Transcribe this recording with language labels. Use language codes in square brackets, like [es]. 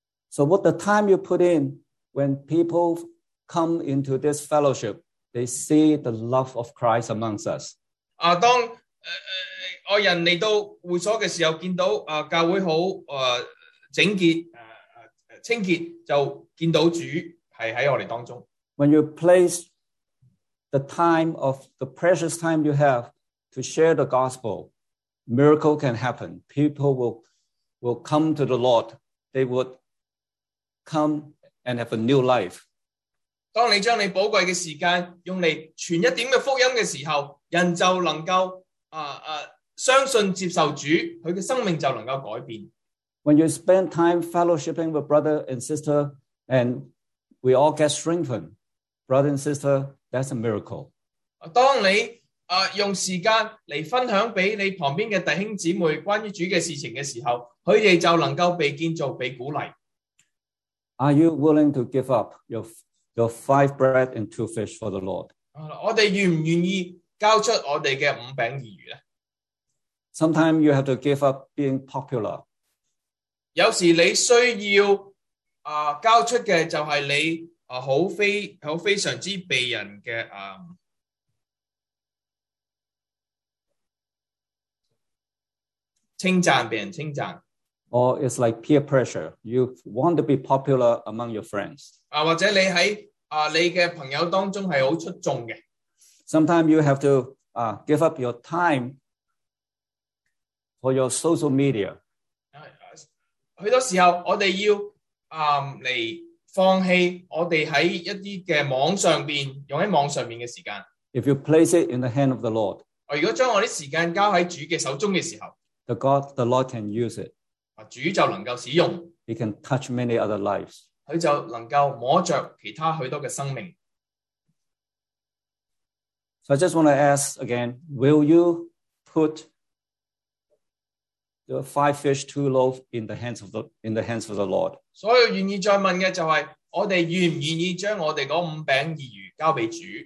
[en] So what the time you put in when people come into this fellowship, they see the love of Christ amongst us. [zh] 当外人来到会所的时候见到教会好整洁清洁，就见到主是在我们当中。 [en] When you place the time of the precious time you have to share the gospel, miracle can happen. People will come to the Lord. They would come and have a new life. [zh] 当你将你宝贵的时间用来传一点的福音的时候，人就能够相信接受主，他的生命就能够改变。 [en] When you spend time fellowshipping with brother and sister, and we all get strengthened, brother and sister, that's a miracle. [zh] 当你用时间来分享给你旁边的弟兄姊妹关于主的事情的时候，他们就能够被建造，被鼓励。 [en] Are you willing to give up your five bread and two fish for the Lord? [zh] 我们愿不愿意交出我们的五饼二鱼呢？ [en] Sometimes you have to give up being popular. [zh] 有时你需要交出的就是你很非常之被人的称赞，被人称赞。 [en] Or it's like peer pressure. You want to be popular among your friends. [zh] 或者你在你的朋友当中是很出众的。 [en] Sometimes you have to give up your time for your social media. [zh] 很多时候我们要来放弃我们在一些的网上面，用在网上面的时间。 [en] If you place it in the hand of the Lord, [zh] 如果将我的时间交在主的手中的时候， [en] the Lord can use it. [zh] 主就能够使用。 [en] He can touch many other lives. [zh] 他就能够摸着其他许多的生命。 [en] So I just want to ask again, will you put the five fish, two loaves in the hands of the Lord? [zh] 所以愿意再问的就是，我们愿不愿意将我们的五饼二鱼交给主？